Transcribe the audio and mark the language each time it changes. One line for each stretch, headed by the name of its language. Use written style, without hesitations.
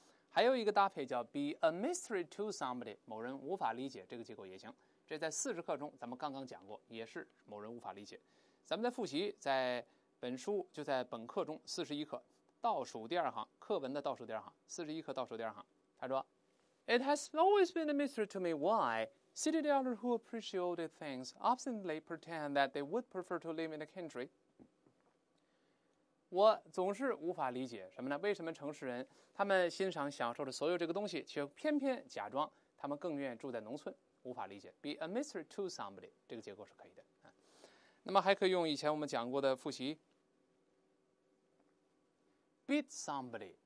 Chinese: 还有一个搭配叫
English: be a mystery to somebody，
Chinese: 某人无法理解，这个结构也行。这在40课中咱们刚刚讲过，也是某人无法理解。咱们在复习，在本书就在本课中41课倒数第二行，课文的倒数第二行，41课倒数第二行，他说。
English: It has always been a mystery to me why city dwellers who appreciate things obstinately pretend that they would prefer to live in the country.
Chinese: 我总是无法理解什么呢？为什么城市人他们欣赏享受的所有这个东西，却偏偏假装他们更愿意住在农村？无法理解。
English: Be a mystery to somebody，
Chinese: 这个结构是可以的。那么还可以用以前我们讲过的复习 ，
English: beat somebody。